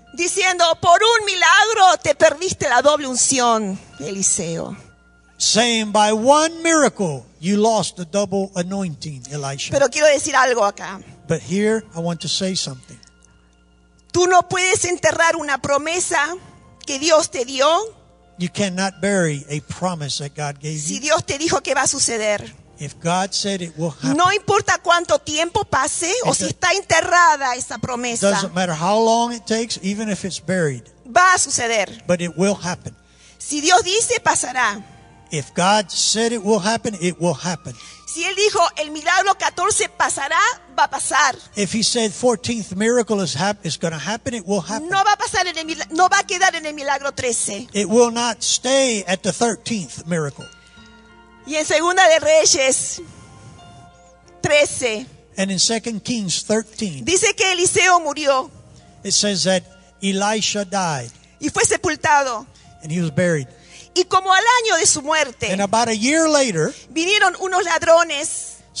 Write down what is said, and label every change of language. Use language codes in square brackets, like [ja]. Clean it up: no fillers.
[es] Diciendo, por un milagro te perdiste la doble unción, Eliseo. [en] Saying, by one miracle, you lost the double anointing, Elisha. [es] Pero quiero decir algo acá. [en] But here, I want to say something. [es] Tú no puedes enterrar una promesa que Dios te dio. [en] You cannot bury a promise that God gave you. [es] Si Dios te dijo que va a suceder. [en] If God said it will happen. [es] No importa cuánto tiempo pase o si está enterrada esa promesa. [en] Doesn't matter how long it takes, even if it's buried. [es] Va a suceder. [en] But it will happen. [es] Si Dios dice, pasará. [en] If God said it will happen, it will happen. [es] Si él dijo, el milagro 14 pasará, va a pasar. [en] If he said 14th miracle is going to happen, it will happen. [es] No va a pasar en el, no va a quedar en el milagro 13. [en] It will not stay at the 13th miracle. [es] Y en Segunda de Reyes 13. [en] And in 2 Kings 13. [es] Dice que Eliseo murió. [en] It says that Elisha died. [es] Y fue sepultado. [en] And he was buried. [es] Y como al año de su muerte, [en] and about a year later, [es] vinieron unos ladrones,